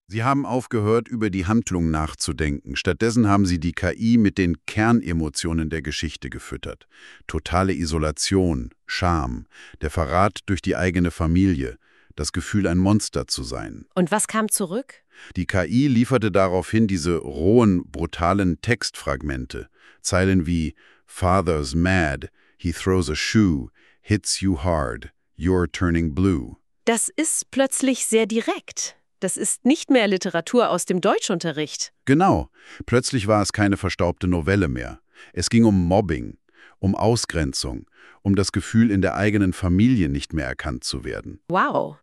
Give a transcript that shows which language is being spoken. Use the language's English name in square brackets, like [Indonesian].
[German] Sie haben aufgehört, über die Handlung nachzudenken. Stattdessen haben Sie die KI mit den Kernemotionen der Geschichte gefüttert. Totale Isolation, Scham, der Verrat durch die eigene Familie, das Gefühl, ein Monster zu sein. Und was kam zurück? Die KI lieferte daraufhin diese rohen, brutalen Textfragmente. Zeilen wie [English] "Father's mad, he throws a shoe, hits you hard, you're turning blue." [German] Das ist plötzlich sehr direkt. Das ist nicht mehr Literatur aus dem Deutschunterricht. Genau. Plötzlich war es keine verstaubte Novelle mehr. Es ging um Mobbing, um Ausgrenzung, um das Gefühl, in der eigenen Familie nicht mehr erkannt zu werden. Wow.